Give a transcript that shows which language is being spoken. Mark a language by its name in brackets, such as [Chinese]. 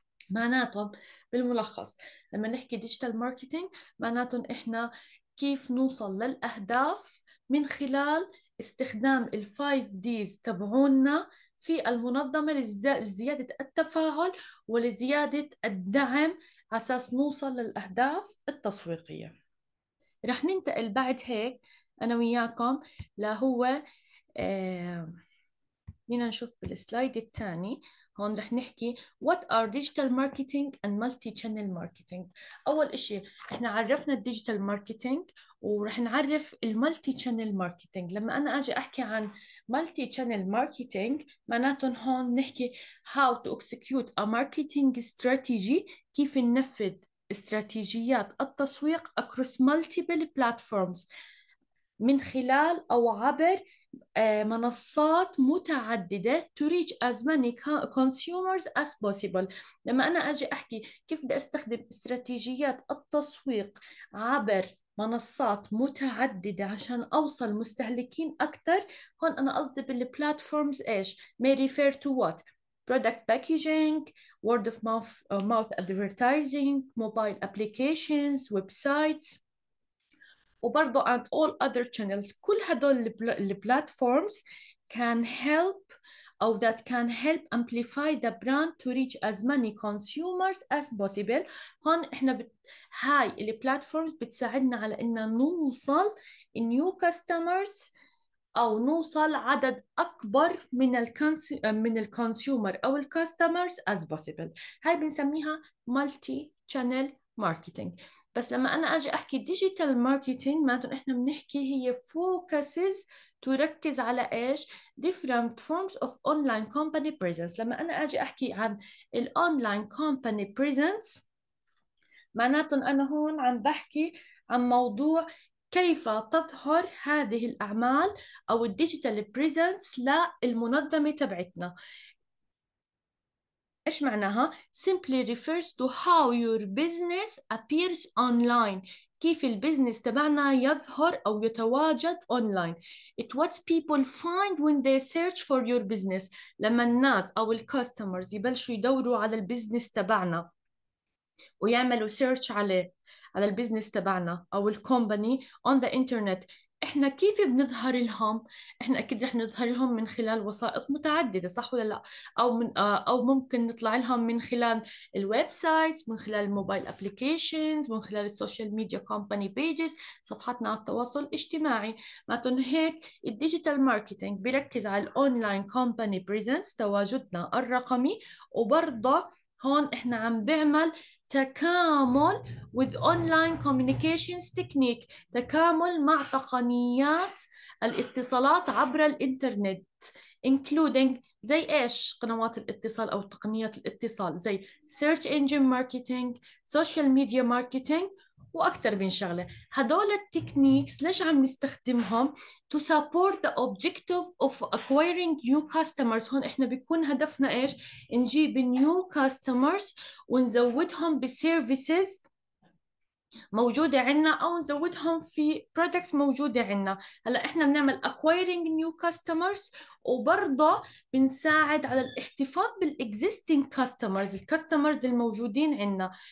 [Arabic] معناته بالملخص لما نحكي ديجيتال ماركتينج، معناته احنا كيف نوصل للاهداف من خلال استخدام الفايف ديز تبعونا في المنظمة لزيادة التفاعل ولزيادة الدعم عساس نوصل للاهداف التسويقية. رح ننتقل بعد هيك أنا وياكم لهو لنا نشوف بالسلايد الثاني. هون رح نحكي [English] What are digital marketing and multi-channel marketing. [Arabic] أول إشي إحنا عرفنا الديجيتال ماركتينج ورح نعرف المالتي شانل ماركتينج. لما أنا أجي أحكي عن مالتي شانل ماركتينج، معناته هون نحكي [English] how to execute a marketing strategy، [Arabic] كيف ننفذ استراتيجيات التسويق [English] across multiple platforms [Arabic] من خلال أو عبر منصات متعددة [English] to reach as many consumers as possible. [Arabic] لما أنا أجي أحكي كيف بدي أستخدم استراتيجيات التسويق عبر منصات متعددة عشان أوصل مستهلكين أكثر، هون أنا قصدي بالplatforms إيش؟ [English] may refer to what؟ product packaging، word of mouth, mouth advertising, mobile applications, websites، [Arabic] وبرضه [English] and all other channels. [Arabic] كل هدول البلاتفورمز [English] can help أو that can help amplify the brand to reach as many consumers as possible. [Arabic] هون إحنا هاي البلاتفورمز بتساعدنا على إن نوصل [English] new customers [Arabic] أو نوصل عدد أكبر من الكونسيومر أو الكاستمرز [English] as possible. [Arabic] هاي بنسميها مالتي شانل ماركتينج. بس لما أنا أجي أحكي ديجيتال ماركتينج، معناته إحنا بنحكي هي فوكسز تركز على إيش؟ [English] different forms of online company presence. [Arabic] لما أنا أجي أحكي عن الأونلاين company presence، معناته أنا هون عم بحكي عن موضوع كيف تظهر هذه الأعمال أو الديجيتال بريزنس للمنظمة تبعتنا. إيش معناها؟ [English] simply refers to how your business appears online. [Arabic] كيف البزنس تبعنا يظهر أو يتواجد أونلاين. [English] It what people find when they search for your business. [Arabic] لما الناس أو الكاستمرز يبلشوا يدوروا على البزنس تبعنا ويعملوا سيرش عليه، على البزنس تبعنا او الكومباني اون ذا انترنت، احنا كيف بنظهر لهم؟ احنا اكيد رح نظهر لهم من خلال وسائط متعدده، صح ولا لا؟ او ممكن نطلع لهم من خلال الويب سايتس، من خلال الموبايل ابلكيشنز، من خلال السوشيال ميديا كومباني بيجز، صفحاتنا على التواصل الاجتماعي. معناته هيك الديجيتال ماركتينج بيركز على الاونلاين كومباني بريزنس، تواجدنا الرقمي، وبرضه هون احنا عم بعمل تكامل [English] with online communications technique، [Arabic] تكامل مع تقنيات الاتصالات عبر الانترنت including زي ايش؟ قنوات الاتصال او تقنيات الاتصال زي search engine marketing، social media marketing، واكثر من شغله. هدول التكنيكس ليش عم نستخدمهم؟ [English] to support the objective of acquiring new customers. [Arabic] هون احنا بيكون هدفنا ايش؟ نجيب [English] new customers [Arabic] ونزودهم بسيرفيسز موجوده عندنا او نزودهم في products موجوده عندنا. هلا احنا بنعمل [English] acquiring new customers [Arabic] وبرضه بنساعد على الاحتفاظ بالاكزيستنج كاستمرز، الكاستمرز الموجودين عندنا.